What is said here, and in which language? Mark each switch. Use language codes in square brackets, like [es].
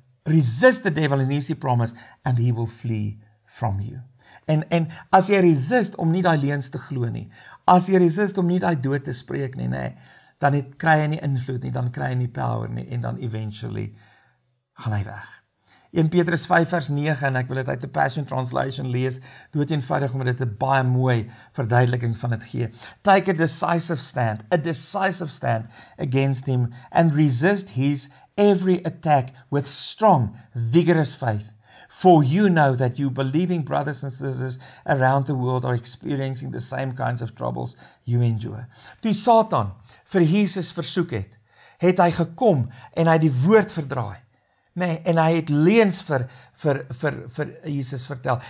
[en] Resist the devil and he is the promise and he will flee from you. [af] En as jy resist om nie die leens te glo nie, as jy resist om nie die dood te spreek nie, nee, dan het, kry jy nie invloed nie, dan kry jy nie power nie, en dan eventually gaan hy weg. 1 Petrus 5 vers 9, en ek wil het uit die Passion Translation lees, dood eenvoudig omdat dit 'n baie mooi verduideliking van het gee. [en] Take a decisive stand against him and resist his every attack with strong, vigorous faith. For you know that you believing brothers and sisters around the world are experiencing the same kinds of troubles you endure. [af] Toe Satan vir Jesus versoek het, het hy gekom en hy die woord verdraai. Nee, en hy het leens vir Jesus vertel.